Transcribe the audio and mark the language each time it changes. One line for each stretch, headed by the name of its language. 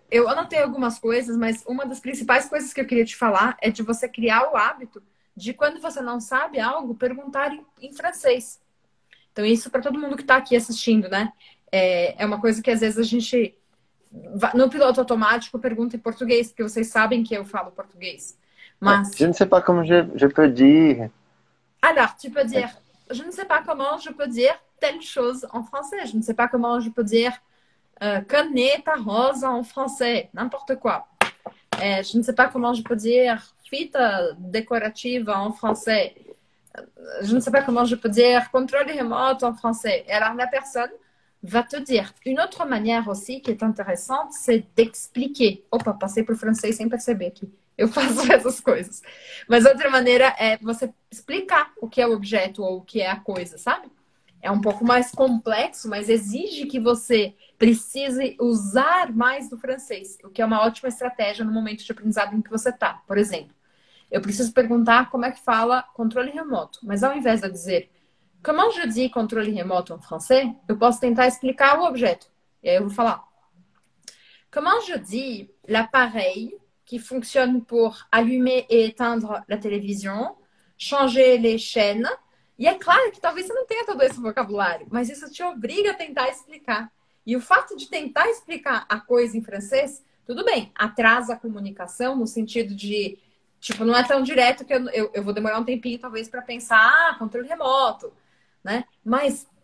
Portuguese: Eu anotei algumas coisas, mas uma das principais coisas que eu queria te falar é de você criar o hábito de, quando você não sabe algo, perguntar em francês. Então, isso para todo mundo que está aqui assistindo, né? É uma coisa que às vezes a gente, no piloto automático, pergunta em português, porque vocês sabem que eu falo português. É, Mas.
French: je ne sais pas comment je peux dire. Alors, tu peux dire. Je ne sais pas comment je peux dire telle chose en français. Je ne sais pas comment je peux dire
Portuguese: caneta rosa
French: en français. N'importe quoi. Je ne sais pas comment je peux dire
Portuguese: fita decorativa
French: en français. Je ne sais pas comment je peux dire contrôle
Portuguese: remoto
French: en français. Et alors, la personne va te dire. Une autre manière aussi qui est intéressante, c'est d'expliquer.
Portuguese: Opa, passei pro francês sem perceber aqui. Eu faço essas coisas. Mas outra maneira é você explicar o que é o objeto ou o que é a coisa, sabe? É um pouco mais complexo, mas exige que você precise usar mais do francês, o que é uma ótima estratégia no momento de aprendizado em que você está. Por exemplo, eu preciso perguntar como é que fala controle remoto, mas ao invés de dizer
French: Comment je dis contrôle remoto en français?
Portuguese: Eu posso tentar explicar o objeto. E aí eu vou falar. Comment je dis l'appareil qui fonctionne pour allumer et éteindre la télévision, changer les chaînes? E é claro que talvez você não tenha todo esse vocabulário, mas isso te obriga a tentar explicar. E o fato de tentar explicar a coisa em francês, tudo bem, atrasa a comunicação no sentido de, tipo, não é tão direto que eu vou demorar um tempinho talvez para pensar, ah, controle remoto. Né? Mas